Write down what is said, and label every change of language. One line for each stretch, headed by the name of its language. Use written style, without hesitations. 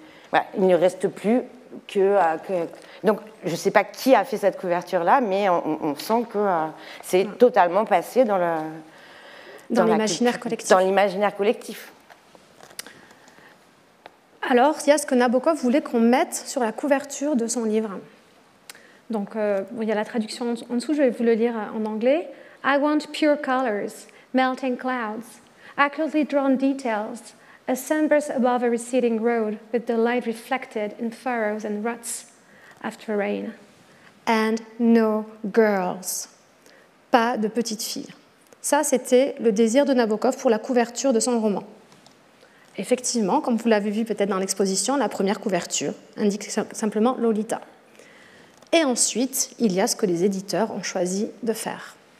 French: Voilà, il ne reste plus que... Donc, je ne sais pas qui a fait cette couverture-là, mais on sent que c'est voilà. totalement passé dans le... Dans l'imaginaire collectif. Dans l'imaginaire collectif. Alors, il y a ce que Nabokov voulait qu'on mette sur la couverture de son livre. Donc, il y a la traduction en dessous, je vais vous le lire en anglais.
English: « I want pure colors, melting clouds, accurately drawn details, a sunburst above a receding road with the light reflected in furrows and ruts after rain. And no girls.
French: » Pas de petites filles. Ça, c'était le désir de Nabokov pour la couverture de son roman. Effectivement, comme vous l'avez vu peut-être dans l'exposition, la première couverture indique simplement Lolita. Et ensuite, il y a ce que les éditeurs ont choisi de faire.